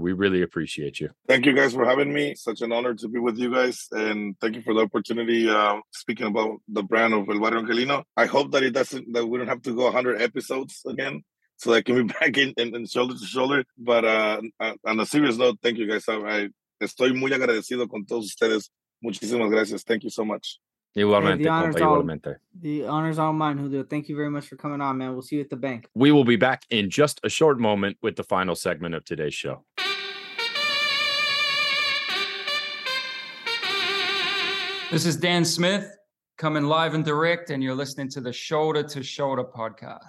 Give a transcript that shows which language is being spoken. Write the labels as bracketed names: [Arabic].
[English] We really appreciate you. Thank you guys for having me. Such an honor to be with you guys. And thank you for the opportunity speaking about the brand of El Barrio Angelino. I hope that we don't have to go 100 episodes again so that I can be back in shoulder to shoulder. But on a serious note, thank you guys. [Spanish] I estoy muy agradecido con todos ustedes. Muchísimas gracias. [English] Thank you so much. The honor's all mine, Julio. Thank you very much for coming on, man. We'll see you at the bank. We will be back in just a short moment with the final segment of today's show. This is Dan Smith coming live and direct, and you're listening to the Shoulder to Shoulder podcast.